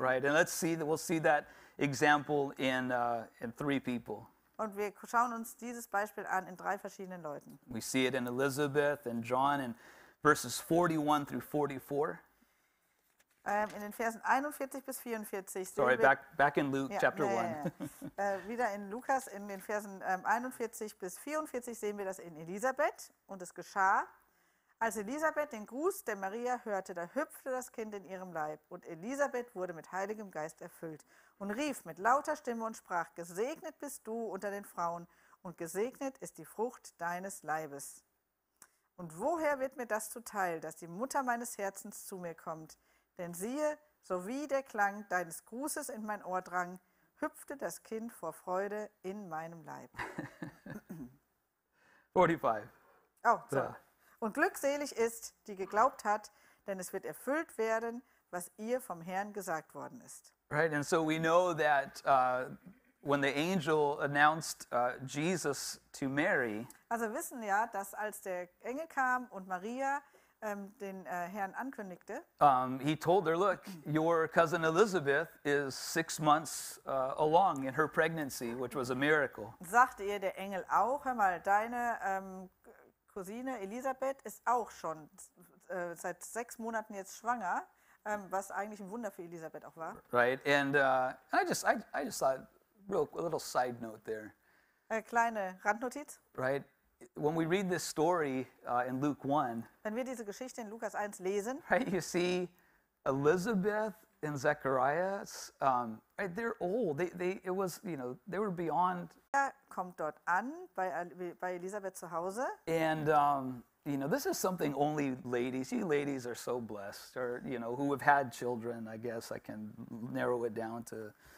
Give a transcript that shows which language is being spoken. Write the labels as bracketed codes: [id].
[en] Right, and we'll see that example in three people. [de] Und wir schauen uns dieses Beispiel an in drei verschiedenen Leuten. [en] We see it in Elizabeth and John in verses 41 through 44. [de] In den Versen 41 bis 44. [en] Sorry, back in Luke, ja, chapter 1. [de] wieder in Lukas in den Versen 41 bis 44 sehen wir das in Elisabeth und es geschah. Als Elisabeth den Gruß der Maria hörte, da hüpfte das Kind in ihrem Leib und Elisabeth wurde mit Heiligem Geist erfüllt und rief mit lauter Stimme und sprach, gesegnet bist du unter den Frauen und gesegnet ist die Frucht deines Leibes. Und woher wird mir das zuteil, dass die Mutter meines Herzens zu mir kommt? Denn siehe, so wie der Klang deines Grußes in mein Ohr drang, hüpfte das Kind vor Freude in meinem Leib. 45. [en] Oh, sorry. [de] Und glückselig ist, die geglaubt hat, denn es wird erfüllt werden, was ihr vom Herrn gesagt worden ist. [en] Right, and so we know that when the angel announced Jesus to Mary. [de] Also wissen ja, dass als der Engel kam und Maria den Herrn ankündigte. [en] He told her, look, your cousin Elizabeth is 6 months along in her pregnancy, which was a miracle. [de] Sagte ihr der Engel auch, hör mal, deine Cousine Elisabeth ist auch schon seit 6 Monaten jetzt schwanger, was eigentlich ein Wunder für Elisabeth auch war. [en] Right, and I just thought, a little side note there. [de] Eine kleine Randnotiz. [en] Right, when we read this story in Luke 1. [de] Wenn wir diese Geschichte in Lukas 1 lesen. [en] Right, you see Elizabeth and Zacharias, right, they're old. They were beyond. [de] Kommt dort an bei Elisabeth zu Hause. [en] And this is something only ladies. You ladies are so blessed, or you know, who have had children. I guess I can narrow it down to